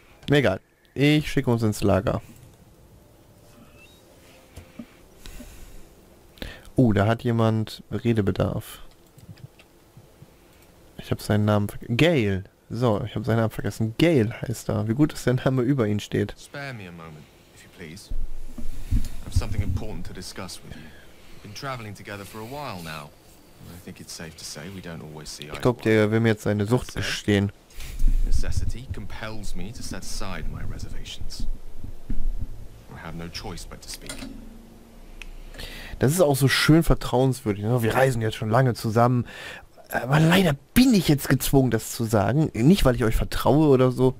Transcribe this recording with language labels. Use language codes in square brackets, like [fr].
[de] Egal. Ich schicke uns ins Lager. Da hat jemand Redebedarf. Ich habe seinen Namen vergessen. Gail. So, ich habe seinen Namen vergessen. Gail heißt er. Wie gut, dass der Name über ihn steht. [en] Spare me a moment. Please. I have something important to discuss with you. We've been traveling together for a while now. I think it's safe to say we don't always see eye. [de] Ich glaube, der will mir jetzt seine Sucht gestehen. [en] Necessity compels me to set aside my reservations. I have no choice but to speak. [de] Das ist auch so schön vertrauenswürdig. Ne? Wir reisen jetzt schon lange zusammen. Aber leider bin ich jetzt gezwungen, das zu sagen. Nicht, weil ich euch vertraue oder so.